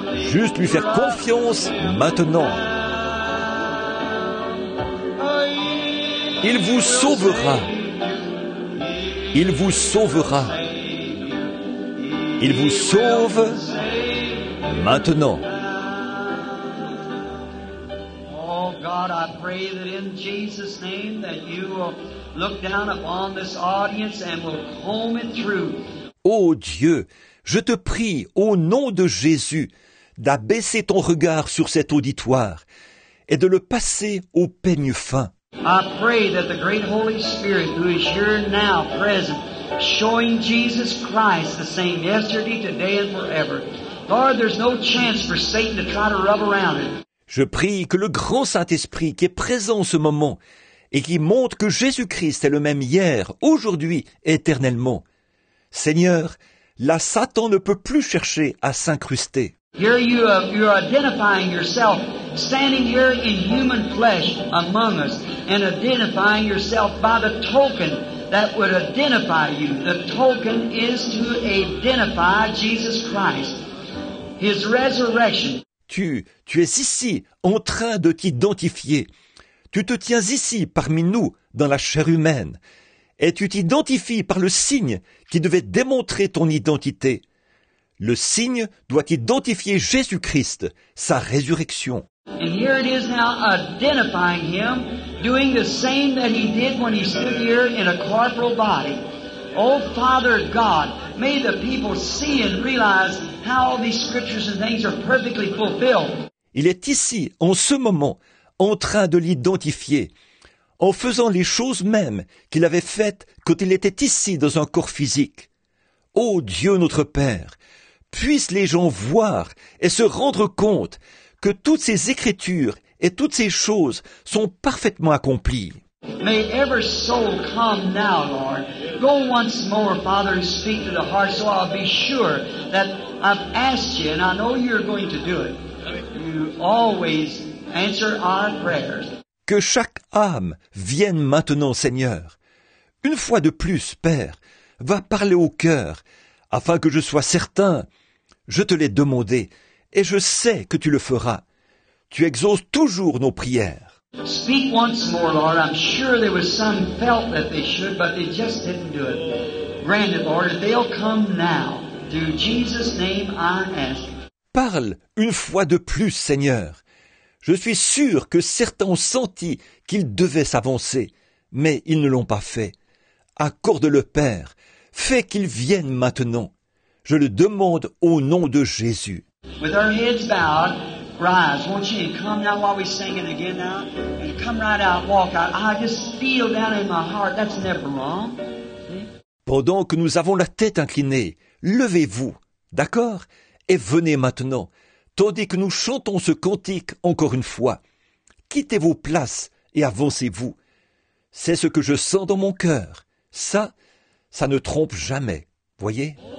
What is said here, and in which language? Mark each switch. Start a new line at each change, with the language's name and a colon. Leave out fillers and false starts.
French: Juste lui faire confiance maintenant. Il vous sauvera. Il vous sauvera. Il vous sauve maintenant.
English: Oh God, I pray that in Jesus' name that you will look down upon this audience and will comb it through.
French: Oh Dieu, je te prie au nom de Jésus d'abaisser ton regard sur cet auditoire et de le passer au peigne fin.
English: I pray that the great Holy Spirit who is here now present showing Jesus Christ the same yesterday, today and forever. Lord, there's no chance for Satan to try to rub around it.
French: Je prie que le grand Saint-Esprit qui est présent en ce moment et qui montre que Jésus-Christ est le même hier, aujourd'hui, éternellement. Seigneur, là Satan ne peut plus chercher à s'incruster.
English: Here you're identifying yourself, standing here in human flesh among us, and identifying yourself by the token that would identify you. The token is to identify Jesus Christ, His resurrection.
French: Tu es ici en train de t'identifier. Tu te tiens ici parmi nous dans la chair humaine, et tu t'identifies par le signe qui devait démontrer ton identité. Le signe doit identifier Jésus-Christ, sa résurrection.
English: And here it is now identifying him, doing the same that he did when he stood here in a corporal body. Oh, Father God, may the people see and realize how all these scriptures and things are perfectly fulfilled.
French: Il est ici, en ce moment, en train de l'identifier, en faisant les choses mêmes qu'il avait faites quand il était ici dans un corps physique. Oh Dieu notre Père, puissent les gens voir et se rendre compte que toutes ces écritures et toutes ces choses sont parfaitement accomplies.
English: May every soul come now, Lord. Go once more, Father, and speak to the heart so I'll be sure that I've asked you and I know you're going to do it. You always answer our prayers.
French: Que chaque âme vienne maintenant, Seigneur. Une fois de plus, Père, va parler au cœur afin que je sois certain. Je te l'ai demandé et je sais que tu le feras. Tu exauces toujours nos prières.
English: Speak once more, Lord. I'm sure there was some felt that they should, but they just didn't do it. Grant it, Lord, if they'll come now. In Jesus' name I ask.
French: Parle une fois de plus, Seigneur. Je suis sûr que certains ont senti qu'ils devaient s'avancer, mais ils ne l'ont pas fait. Accorde-le, Père. Fais qu'ils viennent maintenant. Je le demande au nom de Jésus.
English: With our heads bowed, rise. Won't you come now while we're singing again now? And come right out, walk out. I just feel down in my heart, that's never wrong. See?
French: Pendant que nous avons la tête inclinée, levez-vous, d'accord? Et venez maintenant, tandis que nous chantons ce cantique encore une fois. Quittez vos places et avancez-vous. C'est ce que je sens dans mon cœur. Ça, ça ne trompe jamais, voyez?